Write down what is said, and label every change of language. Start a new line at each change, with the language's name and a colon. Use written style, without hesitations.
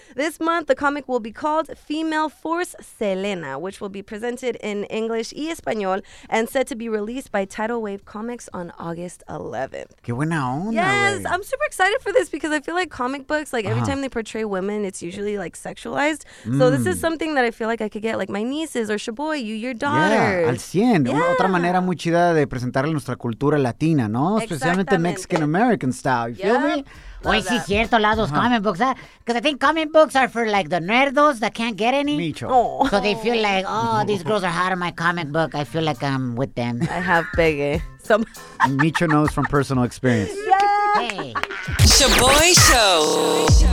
English: This month, the comic will be called Female Force Selena, which will be presented in English
Spanish: y Español
English: and set to be released by Tidal Wave Comics on August 11th.
Spanish: Qué buena onda,
English: yes, way. I'm super excited for this because I feel like comic books, like every time they portray women, it's usually like sexualized. So this is something that I feel like I could get like my nieces or Shoboy, you, your daughters. Yeah, 100. Yeah.
Spanish: Otra manera muy chida de presentarle nuestra cultura latina, ¿no?
English: Especialmente Mexican American style. You feel me?
Spanish: Oye, sí, es cierto, la dos comic books.
English: Because I think comic books are for like the nerdos that can't get any. Micho. So they feel like, oh, these girls are hot in my comic book. I feel like I'm with them. I have Peggy. Micho knows from personal experience. Yeah. Hey. Shoboy Show.